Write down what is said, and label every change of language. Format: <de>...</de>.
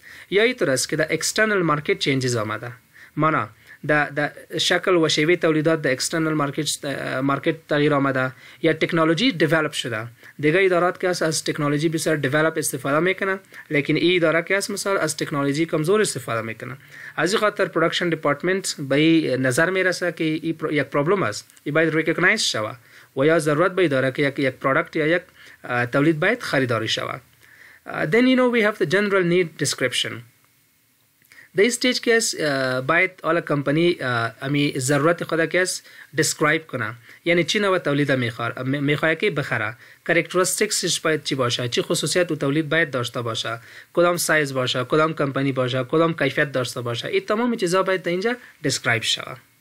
<fa>یا ای طور است که در اکسترنل مارکیت چینجز آمده مانا دا شکل و شیوه تولیدات دا اکسترنل مارکت تغییر آمده یا تکنولوژی دیولپ شده دیگه ادارات که هست از تکنولوژی بسیار دیولپ استفاده میکنه لیکن ای اداره که هست مثال از تکنولوژی کمزور استفاده میکنه. از این خاطر پروڈکشن دپارتمنت به این نظر میرسه که ای یک پرابلم است ای باید ریکگنایز شوه و یا ضرورت به اداره که یک پروڈکت یا یک تولید باید خریداری شوه.</fa> <en>Then you know we have the general need description. The stage</en> <fa>که است باید آلا کمپانی امی ضرورت خود که است دسکرایب کنه یعنی چی نوع تولید میخواه که بخره کاراکتریستیکس باید چی باشه چی خصوصیت و تولید باید داشته باشه کدام سایز باشه کدام کمپانی باشه کدام کیفیت داشته باشه این تمام چیزها باید در اینجا دسکرایب شوه.</fa>